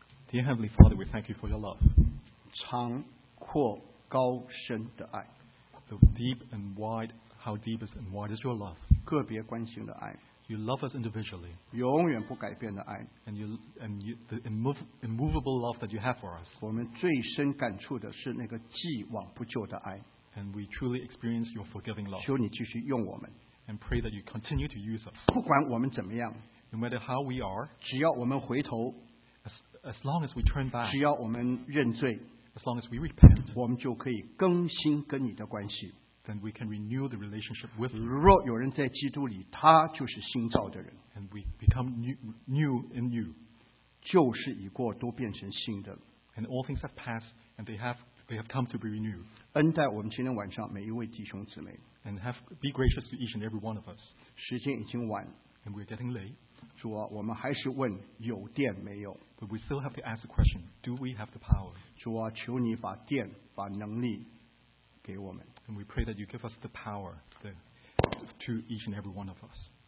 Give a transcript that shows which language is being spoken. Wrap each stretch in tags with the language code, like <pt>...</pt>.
<en>Dear Heavenly Father, we thank you for your love.</en> <zh>长阔高深的爱,</zh> <en>the deep and wide, how deep is and wide is your love?</en> <zh>个别关心的爱,</zh> <en>you love us individually.</en> <zh>永远不改变的爱,</zh> <en>and you, the immovable love that you have for us.</en> <zh>我们最深感触的是那个既往不咎的爱,</zh> <en>and we truly experience your forgiving love.</en> <zh>求你继续用我们,</zh> <en>and pray that you continue to use us.</en> <zh>不管我们怎么样,</zh> <en>no matter how we are,</en> <zh>只要我们回头,</zh> <en>as long as we turn back,</en> <zh>只要我们认罪,</zh> <en>as long as we repent,</en> <zh>我们就可以更新跟你的关系,</zh> <en>then we can renew the relationship with you.</en> <zh>若有人在基督里, 他就是新造的人,</zh> <en>and we become new in you.</en> <zh>旧事已过, 都变成新的,</zh> <en>and all things have passed, and they have come to be renewed.</en> <zh>恩待我们今天晚上每一位弟兄姊妹,</zh> <en>and be gracious to each and every one of us.</en> <zh>时间已经晚,</zh> <en>and we're getting late.</en> <zh>主啊, 我们还是问有电没有?</zh> <en>But we still have to ask the question, do we have the power?</en> <zh>主啊, 求你把电, 把能力给我们,</zh> <en>and we pray that you give us the power to each and every one of us.</en>